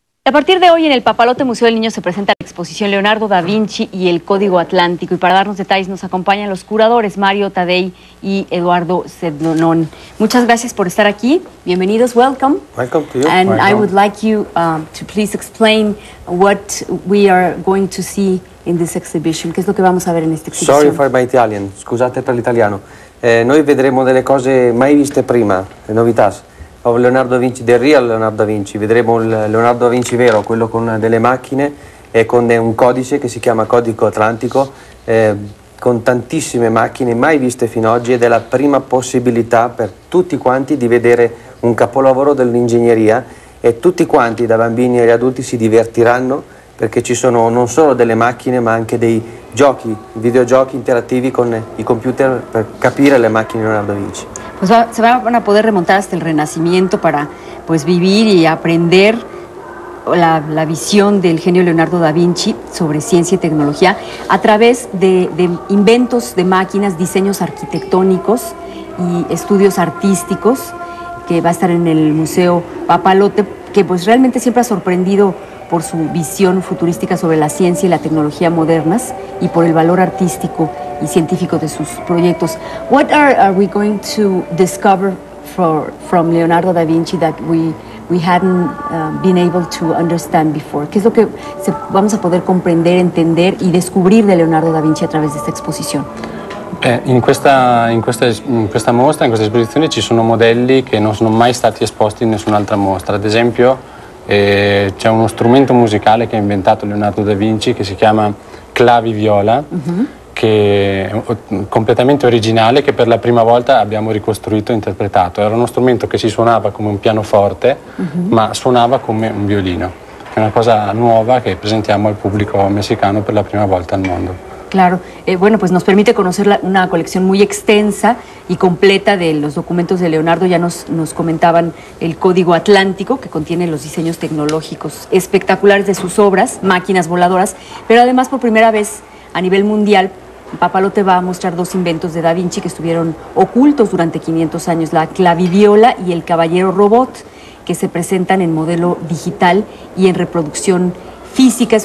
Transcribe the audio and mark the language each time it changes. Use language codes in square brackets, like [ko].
[es] A partir de hoy en el Papalote Museo del Niño se presenta la exposición Leonardo da Vinci y el Código Atlántico. Y para darnos detalles nos acompañan los curadores Mario Taddei y Eduardo Sednonon. Muchas gracias por estar aquí. Bienvenidos. [en] Welcome. Welcome to you. And welcome. I would like you to please explain what we are going to see in this exhibition. [es] ¿Qué es lo que vamos a ver en esta exhibición? [en] Sorry for my Italian. [it] Scusate per l'italiano. Noi vedremo delle cose mai viste prima, le novità. Leonardo da Vinci, del real Leonardo da Vinci, vedremo il Leonardo da Vinci vero, quello con delle macchine e con un codice che si chiama Codice Atlantico, con tantissime macchine mai viste fino ad oggi ed è la prima possibilità per tutti quanti di vedere un capolavoro dell'ingegneria e tutti quanti, da bambini agli adulti, si divertiranno perché ci sono non solo delle macchine ma anche dei giochi, videogiochi interattivi con i computer per capire le macchine di Leonardo da Vinci. [es] Pues se van a poder remontar hasta el Renacimiento para pues vivir y aprender la visión del genio Leonardo da Vinci sobre ciencia y tecnología a través de inventos de máquinas, diseños arquitectónicos y estudios artísticos que va a estar en el Museo Papalote, que pues realmente siempre ha sorprendido por su visión futurística sobre la ciencia y la tecnología modernas y por el valor artístico y científico de sus proyectos. [en] What are we going to discover from Leonardo da Vinci that we hadn't been able to understand before? [es] ¿Qué es lo que vamos a poder comprender, entender y descubrir de Leonardo da Vinci a través de esta exposición? [it] In questa mostra, in questa esposizione, ci sono modelli che non sono mai stati esposti in nessun'altra mostra. Ad esempio, c'è uno strumento musicale che ha inventato Leonardo da Vinci che si chiama claviviola, che è completamente originale, che per la prima volta abbiamo ricostruito e interpretato. Era uno strumento che si suonava come un pianoforte, ma suonava come un violino. È una cosa nuova che presentiamo al pubblico messicano per la prima volta al mondo. [es] Claro, bueno, pues nos permite conocer una colección muy extensa y completa de los documentos de Leonardo. Ya nos comentaban el Código Atlántico, que contiene los diseños tecnológicos espectaculares de sus obras, máquinas voladoras, pero además por primera vez a nivel mundial, Papalote va a mostrar dos inventos de Da Vinci que estuvieron ocultos durante 500 años, la claviviola y el caballero robot, que se presentan en modelo digital y en reproducción física.